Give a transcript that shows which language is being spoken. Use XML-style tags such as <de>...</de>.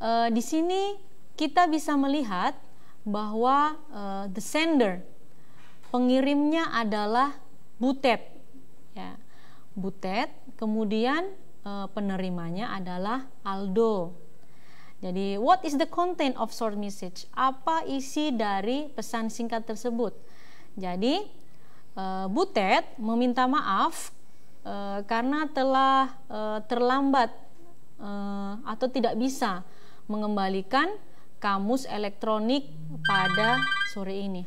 <id>Di sini kita bisa melihat bahwa</id> <en>the sender,</en> <id>pengirimnya adalah Butet, ya, Butet. Kemudian penerimanya adalah Aldo. Jadi,</id> <en>what is the content of short message?</en> <id>Apa isi dari pesan singkat tersebut? Jadi, Butet meminta maaf karena telah terlambat atau tidak bisa mengembalikan kamus elektronik pada sore ini.</id>